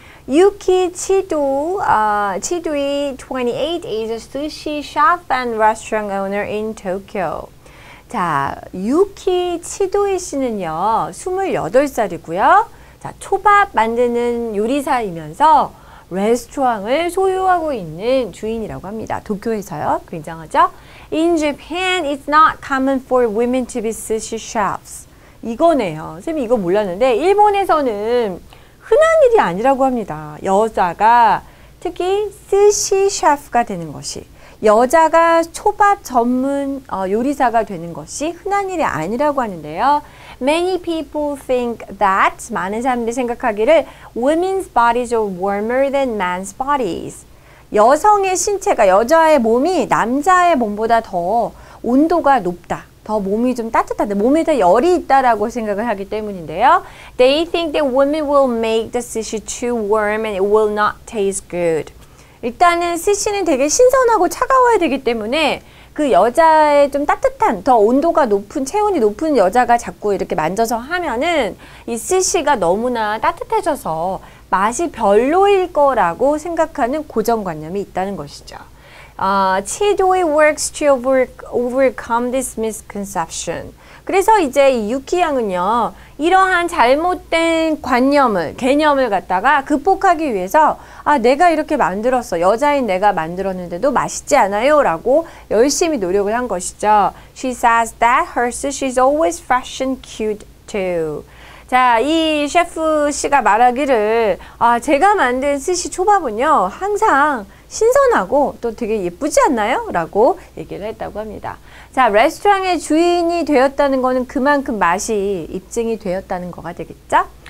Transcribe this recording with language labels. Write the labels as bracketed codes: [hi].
[en] Yuki Chidu, Chidui, 28, is a sushi shop and restaurant owner in Tokyo. [ko] 자, Yuki Chidui 씨는요, 28살이고요. 자, 초밥 만드는 요리사이면서 레스토랑을 소유하고 있는 주인이라고 합니다. 도쿄에서요. 굉장하죠? [en] In Japan, it's not common for women to be sushi chefs. [ko] 이거네요. 선생님, 이거 몰랐는데 일본에서는 흔한 일이 아니라고 합니다. 여자가 특히 스시 셰프가 되는 것이, 여자가 초밥 전문 요리사가 되는 것이 흔한 일이 아니라고 하는데요. [en] Many people think that, [ko] 많은 사람들이 생각하기를, [en] women's bodies are warmer than men's bodies. [ko] 여성의 신체가, 여자의 몸이 남자의 몸보다 더 온도가 높다. 더 몸이 좀 따뜻한데, 몸에 더 열이 있다라고 생각을 하기 때문인데요. [en] They think that women will make the sushi too warm and it will not taste good. [ko] 일단은 스시는 되게 신선하고 차가워야 되기 때문에 그 여자의 좀 따뜻한, 더 온도가 높은, 체온이 높은 여자가 자꾸 이렇게 만져서 하면은 이 스시가 너무나 따뜻해져서 맛이 별로일 거라고 생각하는 고정관념이 있다는 것이죠. [en] Chidui works to overcome this misconception. [ko] 그래서 이제 유키 양은요, 이러한 잘못된 관념을, 개념을 갖다가 극복하기 위해서, 아, 내가 이렇게 만들었어. 여자인 내가 만들었는데도 맛있지 않아요? 라고 열심히 노력을 한 것이죠. [en] She says that her sushi is always fresh and cute too. [ko] 자, 이 셰프 씨가 말하기를, 아, 제가 만든 스시 초밥은요, 항상 신선하고 또 되게 예쁘지 않나요? 라고 얘기를 했다고 합니다. 자, 레스토랑의 주인이 되었다는 거는 그만큼 맛이 입증이 되었다는 거가 되겠죠?